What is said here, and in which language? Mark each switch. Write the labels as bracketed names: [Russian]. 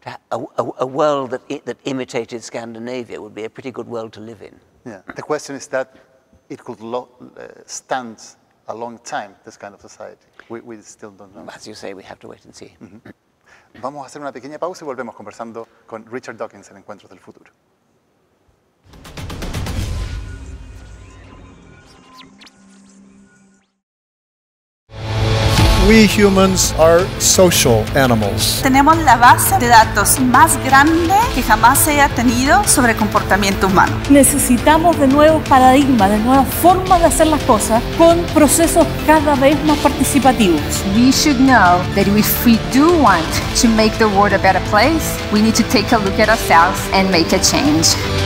[English] A world that imitated Scandinavia would be a pretty good world to live in. Yeah. The question is that it could stand a long time, this kind of society. We still don't know. As you say, we have to wait and see. Mm-hmm. [Spanish] Vamos a hacer una pequeña pausa y volvemos conversando con Richard Dawkins en Encuentros del Futuro. [English] We humans are social animals. [Spanish] Tenemos la base de datos más grande que jamás se haya tenido sobre comportamiento humano. Necesitamos de nuevos paradigmas, de nuevas formas de hacer las cosas con procesos cada vez más participativos. [English] We should know that if we do want to make the world a better place, we need to take a look at ourselves and make a change.